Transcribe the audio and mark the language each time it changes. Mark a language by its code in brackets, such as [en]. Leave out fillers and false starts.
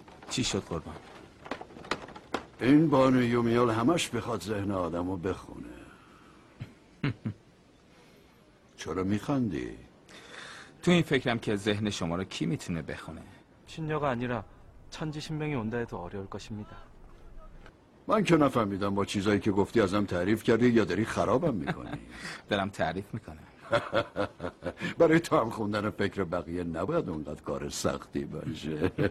[fa] چی شد قربان؟ این بانو یومیال همش بخواد ذهن آدمو بخونه. چرا میخندی؟ تو این فکرم که ذهن شما رو کی میتونه بخونه؟ [ko] 신녀가 아니라 천지 신명이 온다 해도 어려울 것입니다. [fa] من که نفهمیدم با چیزایی که گفتی ازم تعریف کردی یا داری خرابم میکنی. دارم تعریف میکنم. برای تو هم خوندن فکر بقیه نباید اونقدر کار سختی باشه.